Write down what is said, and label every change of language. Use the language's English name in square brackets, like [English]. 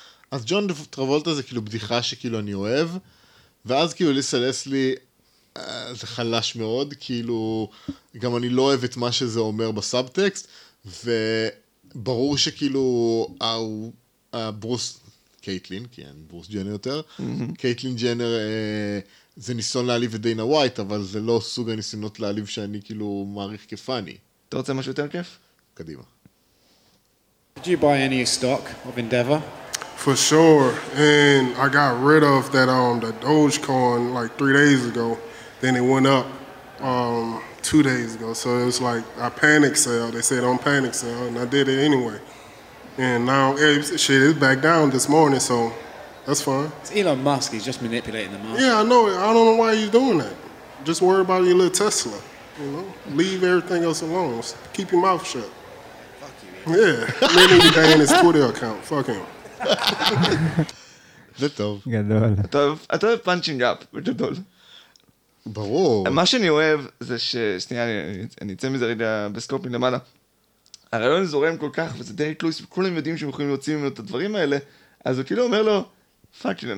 [Hebrew] אז ג'ון טרבולטה זה כאילו בדיחה שכאילו אני אוהב, ואז כאילו ליסה לסלי, זה חלש מאוד, כאילו גם אני לא אוהב את מה שזה אומר בסאבטקסט, וברור שכאילו ברוס קייטלין, כן, ברוס ג'נר יותר. קייטלין ג'נר, זה ניסיון להעליב את דיינה ווייט, אבל זה לא סוג הניסיונות להעליב שאני כאילו מעריך כפני. אתה רוצה משהו יותר כיף? קדימה. [English] Did you buy any stock of Endeavor? For sure. And I got rid of that the Dogecoin like 3 days ago. Then it went up 2 days ago. So it was like a panic sale. They said on panic sale and I did it anyway. And now shit is back down this morning, so that's fine. It's Elon Musk, he's just manipulating the market. Yeah, I know. I don't know why he's doing that. Just worry about your little Tesla, you know? Leave everything else alone. Just keep your mouth shut. Yeah, maybe he's in his Twitter account. Fuck him. [Hebrew] זה טוב. גדול. אתה אוהב [English] punching up, [Hebrew] גדול. ברור. מה שאני אוהב זה ש... שנייה, אני אצא מזה רגע בסקופ מלמעלה. הרעיון זורם כל כך, וזה דריק לואיס, וכולם יודעים שהם יכולים להוציא ממנו את הדברים האלה, אז הוא כאילו אומר לו, פאקים, אני